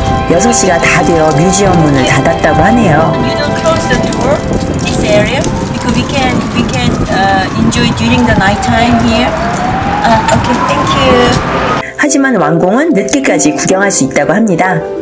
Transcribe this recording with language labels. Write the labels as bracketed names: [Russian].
[Korean] 6시가 다 되어 뮤지엄 문을 닫았다고 하네요. [English] You don't close the door this area because we can enjoy during the night time here. Okay, thank you. [Korean] 하지만 왕궁은 늦게까지 구경할 수 있다고 합니다.